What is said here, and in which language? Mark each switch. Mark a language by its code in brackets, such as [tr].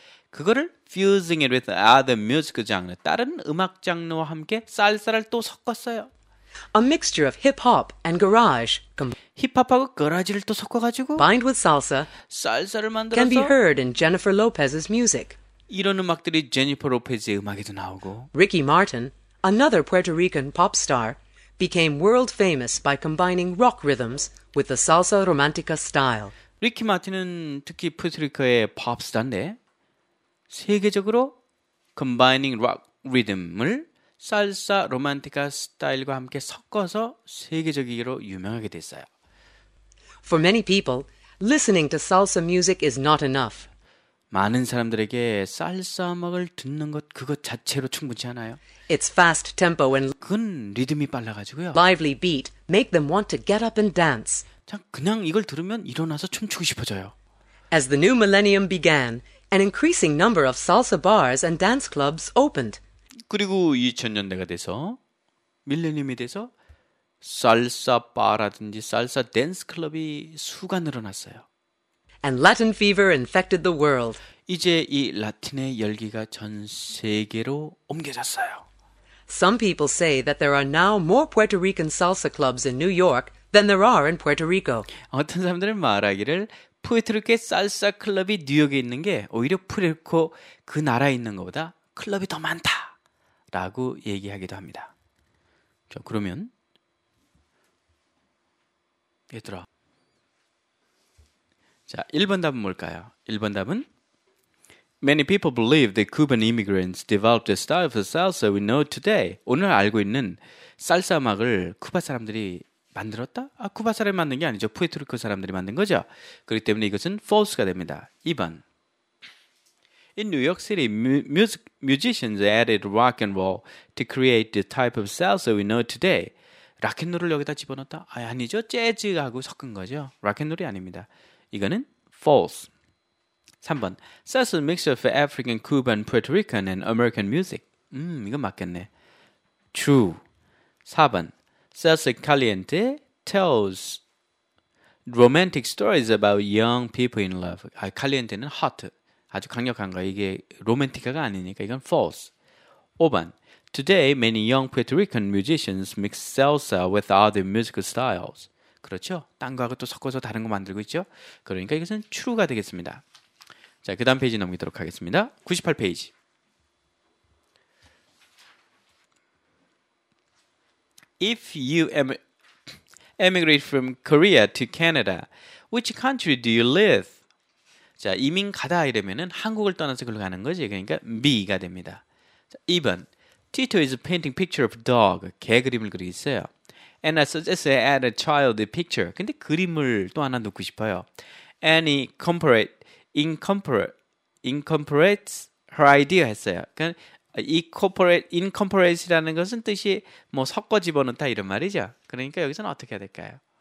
[ko] 그거를 [en] fusing it with other music genre, [ko] 다른 음악 장르와 함께 살사를 또 섞었어요. [en] A mixture of hip-hop and garage. [ko] 힙합하고 가라지를 또 섞어가지고 [en] bind with salsa, [ko] 살사를 만들어서 [en] can be heard in Jennifer Lopez's music. [ko] 이런 음악들이 제니퍼 로페즈의 음악에도 나오고 [en] Ricky Martin, another Puerto Rican pop star, became world famous by combining rock rhythms with the salsa romantica style. [ko] 리키 마틴은 특히 푸에르토리코의 팝스타인데 세계적으로 [en] combining rock rhythm [ko] 을 살사 로맨티카 스타일과 함께 섞어서 세계적으로 유명하게 됐어요. [en] For many people, listening to salsa music is not enough. [ko] 많은 사람들에게 살사 음악을 듣는 것 그것 자체로 충분치 않아요. [en] It's fast tempo and [ko] 그건 리듬이 빨라가지고요. [en] Lively beat make them want to get up and dance. [ko] 그냥 이걸 들으면 일어나서 춤추고 싶어져요. [en] As the new millennium began, an increasing number of salsa bars and dance clubs opened. [ko] 그리고 2000년대가 돼서 밀레니엄이 돼서 살사 바라든지 살사 댄스 클럽이 수가 늘어났어요. [en] And Latin fever infected the world. [ko] 이제 이 라틴의 열기가 전 세계로 옮겨졌어요. [en] Some people say that there are now more Puerto Rican salsa clubs in New York than there are in Puerto Rico. [ko] 어떤 사람들은 말하기를 푸에르토리코 살사 클럽이 뉴욕에 있는 게 오히려 푸에르토리코 그 나라에 있는 것보다 클럽이 더 많다라고 얘기하기도 합니다. 자, 그러면 얘들아. 자, 1번 답은 뭘까요? 1번 답은 [en] Many people believe that Cuban immigrants developed a style of the salsa we know today. [ko] 오늘 알고 있는 살사 음악을 쿠바 사람들이 만들었다? 아, 쿠바 사람이 만든 게 아니죠. 푸에르토리코 사람들이 만든 거죠. 그렇기 때문에 이것은 false가 됩니다. 2번. [en] In New York City, musicians added rock and roll to create the type of salsa we know today. [ko] 락앤롤을 여기다 집어넣었다? 아, 아니죠. 재즈하고 섞은 거죠. 락앤롤이 아닙니다. 이거는 false. 3번. [en] Salsa is a mixture of African, Cuban, Puerto Rican and American music. [ko] 이건 맞겠네. [en] True. 4번. Salsa Caliente tells romantic stories about young people in love. [ko] 아, Caliente는 hot, 아주 강력한 거. 이게 로맨티카가 아니니까 이건 false. 5번. [en] Today, many young Puerto Rican musicians mix salsa with other musical styles. [ko] 그렇죠? 딴 거하고 또 섞어서 다른 거 만들고 있죠? 그러니까 이것은 true가 되겠습니다. 자, 그 다음 페이지 넘기도록 하겠습니다. 98페이지. [en] If you emigrate from Korea to Canada, which country do you live? [ko] 자, 이민 가다 이러면은 한국을 떠나서 그걸 가는 거지. 그러니까 me가 됩니다. 자, 2번. [en] Tito is painting picture of dog. [ko] 개 그림을 그리고 있어요. [en] And I suggest I add a child picture. [ko] 근데 그림을 또 하나 넣고 싶어요. [en] And he incorporates her idea [ko] 했어요. 그러니까 incorporate, incorporate이라는 것은 뜻이 뭐 섞어 집어넣다 이런 말이죠. 그러니까 여기서는 어떻게 해야 될까요?